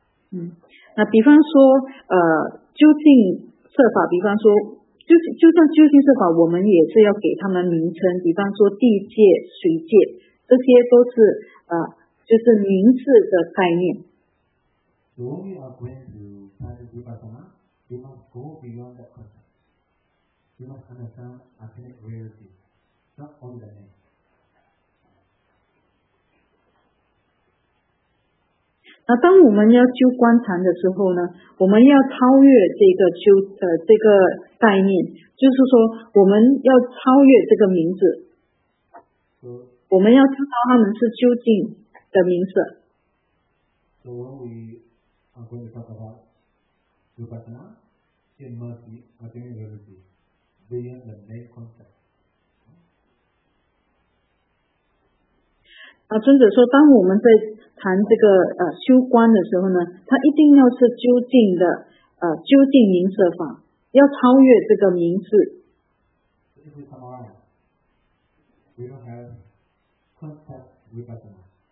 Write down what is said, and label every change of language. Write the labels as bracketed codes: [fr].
[zh] 嗯，那比方说究竟设法，比方说。就像究竟设法，我们也是要给他们名称，比方说地界、水界，这些都是就是名字的概念。 [en] So when we are going to study Vipassana, we must go beyond that concept. We must understand ultimate reality, not only the name. [zh] 那当我们要修观禅的时候呢，我们要超越这个修这个概念，就是说我们要超越这个名字，我们要知道他们是究竟的名字。 [en] So when we are going to talk about Vipassana, it must be a very reality beyond the main concept. [zh] 那尊者说，当我们在谈这个修观的时候呢，它一定要是究竟的究竟名色法，要超越这个名字。 [en] If we summarize, we don't have concept Vipassana.